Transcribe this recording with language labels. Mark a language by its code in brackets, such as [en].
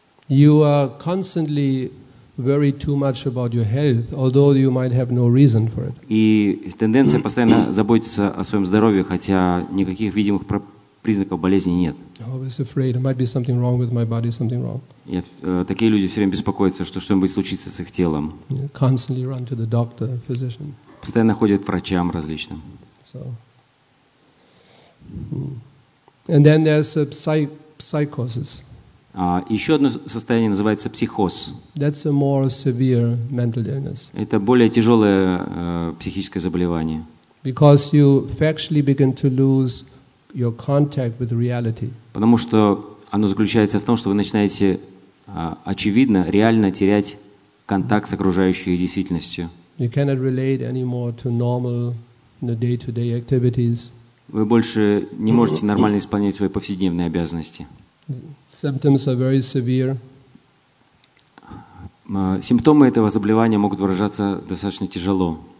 [en] You are constantly worried too much about your health, although you might have no reason for it. [ru] И тенденция постоянно заботиться о своем здоровье, хотя никаких видимых признаков болезни нет. [en] Always afraid. There might be something wrong with my body, something wrong. [ru] Такие люди все время беспокоятся, что что-нибудь случится с их телом. [en] Constantly run to the doctor, physician. [ru] Постоянно ходят к врачам различным. [en] So. And then there's a psychosis. [ru] Еще одно состояние называется психоз. [en] That's a more severe mental illness. [ru] Это более тяжелое психическое заболевание. [en] Because you factually begin to lose your contact with reality. [ru] Потому что оно заключается в том, что вы начинаете очевидно, реально терять контакт с окружающей действительностью. [en] You cannot relate anymore to normal day-to-day activities. [ru] Вы больше не можете нормально исполнять свои повседневные обязанности. [en] Symptoms are very severe. [ru] Симптомы этого заболевания могут выражаться достаточно тяжело.